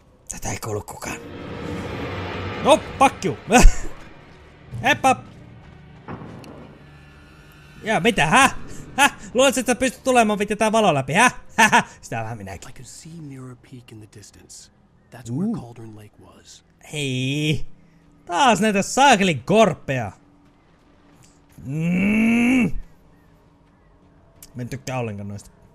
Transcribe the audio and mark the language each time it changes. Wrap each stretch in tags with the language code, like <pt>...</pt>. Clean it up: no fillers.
<fi>Tätä ei kuulu kukaan. No,</fi> <en>fuck you!</en> <fi>Heppa! Ja mitä, hä? Hä? Luulet, että sä pystyt tulemaan vittu tää valo läpi, hä? Sitä vähän minäkin.</fi> <en>I could see near a peak in the distance. That's where Cauldron Lake was. Hei.</en> <fi>Taas näitä saakeli korppeja. Mä en tykkää ollenkaan noista.</fi>